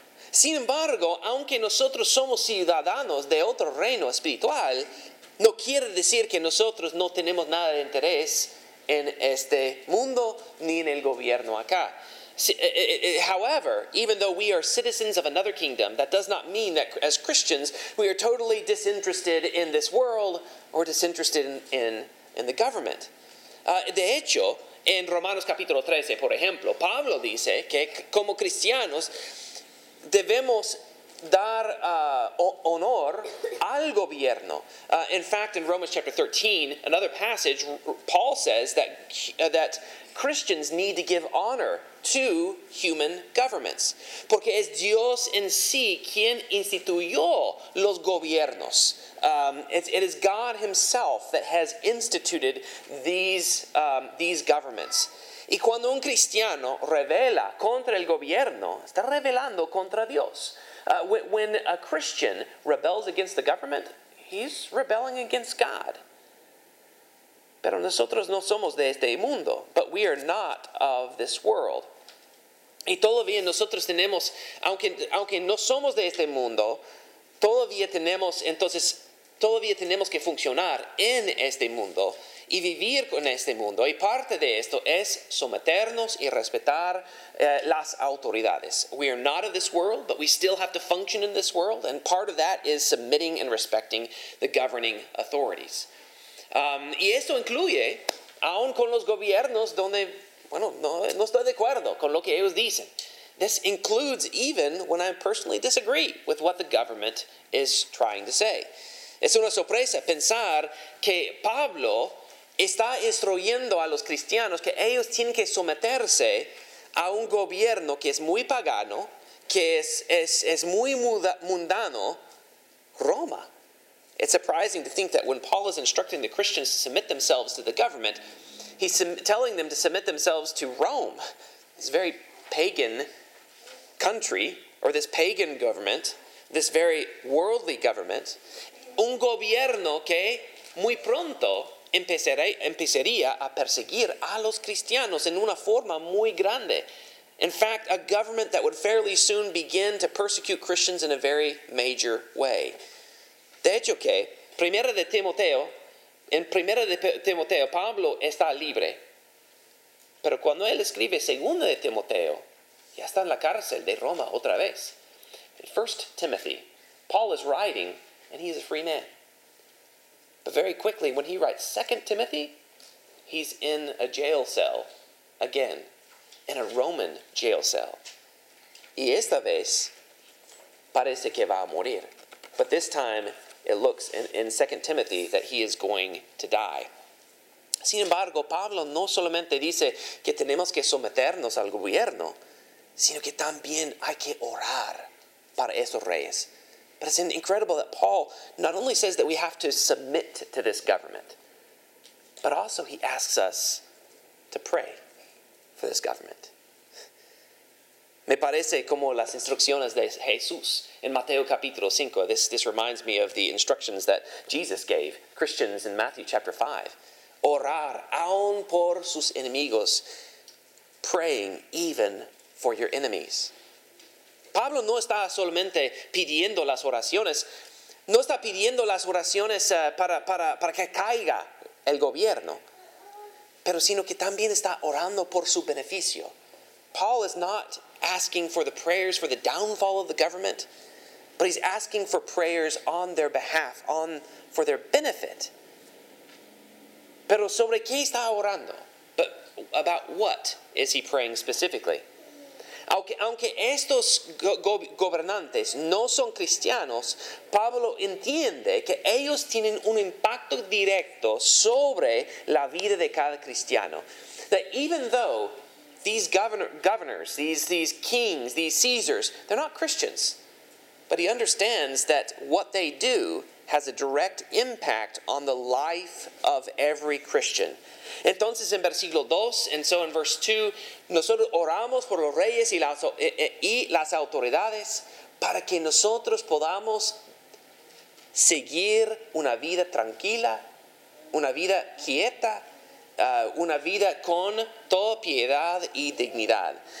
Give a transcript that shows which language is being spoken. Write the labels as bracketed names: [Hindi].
[Spanish] Sin embargo, aunque nosotros somos ciudadanos de otro reino espiritual, no quiere decir que nosotros no tenemos nada de interés en este mundo ni en el gobierno acá. [English] However, even though we are citizens of another kingdom, that does not mean that as Christians we are totally disinterested in this world or disinterested in the government. [Spanish] De hecho, en Romanos capítulo 13, por ejemplo, Pablo dice que como cristianos debemos dar honor al gobierno. [English] In fact, in Romans chapter 13, another passage, Paul says that that Christians need to give honor to human governments. [Spanish] Porque es Dios en sí quien instituyó los gobiernos. [English] It is God himself that has instituted these governments. [Spanish] Y cuando un cristiano revela contra el gobierno, está revelando contra Dios. [English] When a Christian rebels against the government, he's rebelling against God. [Spanish] Pero nosotros no somos de este mundo. [English] But we are not of this world. [Spanish] Y todavía nosotros tenemos, aunque no somos de este mundo, todavía tenemos entonces todavía tenemos que funcionar en este mundo y vivir con este mundo. Y parte de esto es someternos y respetar las autoridades. [English] We are not of this world, but we still have to function in this world. And part of that is submitting and respecting the governing authorities. [Spanish] Y esto incluye aún con los gobiernos donde, bueno, no estoy de acuerdo con lo que ellos dicen. [English] This includes even when I personally disagree with what the government is trying to say. [Spanish] Es una sorpresa pensar que Pablo está instruyendo a los cristianos que ellos tienen que someterse a un gobierno que es muy pagano, que es muy mundano, Roma. [English] It's surprising to think that when Paul is instructing the Christians to submit themselves to the government, he's telling them to submit themselves to Rome. It's very pagan country, or this pagan government, this very worldly government, [Spanish] un gobierno que muy pronto empezaría a perseguir a los cristianos en una forma muy grande. [English] In fact, a government that would fairly soon begin to persecute Christians in a very major way. [Spanish] De hecho que, Primera de Timoteo, en Primera de Timoteo, Pablo está libre. Pero cuando él escribe Segunda de Timoteo, ya está en la cárcel de Roma otra vez. [English] In 1 Timothy, Paul is writing, and he is a free man. But very quickly, when he writes 2 Timothy, he's in a jail cell again, in a Roman jail cell. [Spanish] Y esta vez, parece que va a morir. [English] But this time, it looks in 2 Timothy that he is going to die. [Spanish] Sin embargo, Pablo no solamente dice que tenemos que someternos al gobierno, sino que también hay que orar para esos reyes. [English] But it's incredible that Paul not only says that we have to submit to this government, but also he asks us to pray for this government. [Spanish] Me parece como las instrucciones de Jesús en Mateo capítulo 5. [English] This reminds me of the instructions that Jesus gave Christians in Matthew chapter 5. [Spanish] Orar aún por sus enemigos, [English] praying even for your enemies. [Spanish] Pablo no está solamente pidiendo las oraciones. No está pidiendo las oraciones para que caiga el gobierno. Pero sino que también está orando por su beneficio. [English] Paul is not asking for the prayers for the downfall of the government, but he's asking for prayers on their behalf, for their benefit. [Spanish] Pero sobre qué está orando? [English] But about what is he praying specifically? [Spanish] Aunque estos gobernantes no son cristianos, Pablo entiende que ellos tienen un impacto directo sobre la vida de cada cristiano. [English] That even though these governors, these kings, these Caesars, they're not Christians, but he understands that what they do has a direct impact on the life of every Christian. [Spanish] Entonces, en versículo 2, [English] and so in verse 2, [Spanish] nosotros oramos por los reyes y las autoridades para que nosotros podamos seguir una vida tranquila, una vida quieta, una vida con toda piedad y dignidad.